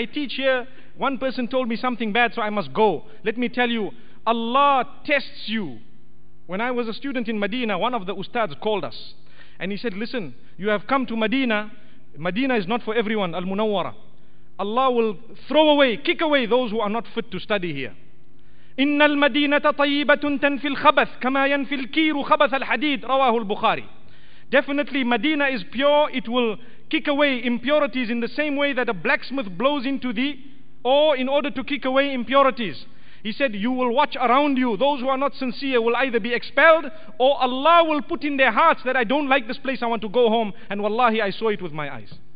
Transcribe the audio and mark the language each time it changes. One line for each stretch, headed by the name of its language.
English: I teach here, one person told me something bad, so I must go. Let me tell you, Allah tests you. When I was a student in Medina, one of the ustads called us. And he said, listen, you have come to Medina. Medina is not for everyone, Al-Munawwara. Allah will throw away, kick away those who are not fit to study here.
Arabic: إن المدينة طيبة تنفي الخبث كما ينفي الكير خبث الحديد رواه البخاري.
English: Definitely Medina is pure, it will kick away impurities in the same way that a blacksmith blows into the ore in order to kick away impurities. He said, you will watch around you, those who are not sincere will either be expelled or Allah will put in their hearts that I don't like this place, I want to go home, and wallahi I saw it with my eyes.